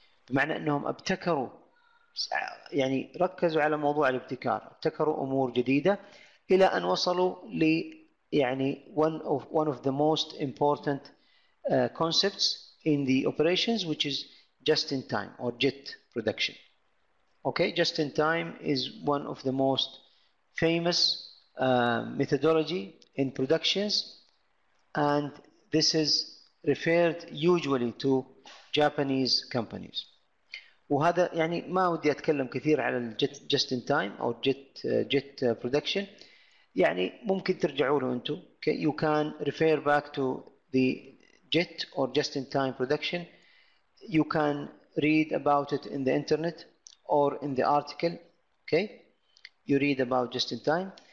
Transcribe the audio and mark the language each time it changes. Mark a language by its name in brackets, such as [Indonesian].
[Arabic] بمعنى أنهم ابتكروا, يعني ركزوا على موضوع الابتكار, ابتكروا أمور جديدة إلى أن وصلوا ل يعني [English] one of the most important concepts in the operations, which is just in time or JIT production. Okay, just in time is one of the most famous methodology in productions, and this is referred usually to Japanese companies. [Arabic] وهذا يعني ما ودي أتكلم كثير على الجت just in time أو jet production. يعني ممكن ترجعوا له أنتو. [English] Okay, you can refer back to the jet or just in time production. You can read about it in the internet or in the article. Okay, you read about just in time.